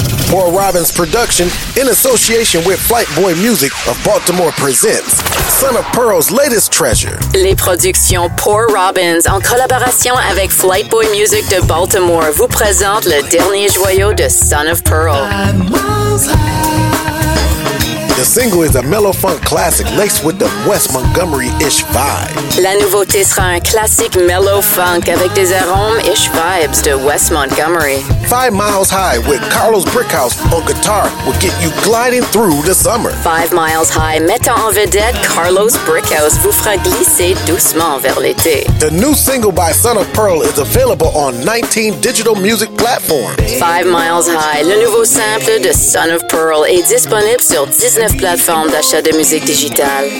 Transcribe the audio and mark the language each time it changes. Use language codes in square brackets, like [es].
[en] Paul Robbins production, in association with Flight Boy Music of Baltimore, presents Son of Pearl's latest treasure. [fr] Les productions Poor Robbins en collaboration avec Flight Boy Music de Baltimore vous présente le dernier joyau de Son of Pearl. [en] The single is a mellow funk classic laced with the West Montgomery-ish vibe. [fr] La nouveauté sera un classique mellow funk avec des arômes-ish vibes de West Montgomery. [en] 5 miles high with Carlos Brickhouse on guitar will get you gliding through the summer. [fr] 5 miles high, mettant en vedette Carlos Brickhouse, vous fera glisser doucement vers l'été. [en] The new single by Son of Pearl is available on 19 digital music platforms. [fr] 5 miles high, le nouveau sample de Son of Pearl est disponible sur 19 plateformes d'achat de musique digitale.